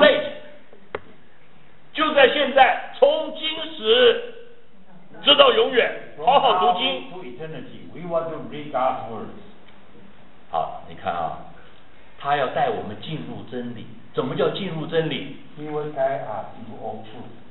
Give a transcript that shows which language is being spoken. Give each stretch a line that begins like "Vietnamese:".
English: late，
Chinese: 就在现在，从今时直到永远，好好读经。
English: To eternity, we want to read God's words.
Chinese: 好，你看啊，他要带我们进入真理。怎么叫进入真理？
English: He will guide us into all truth.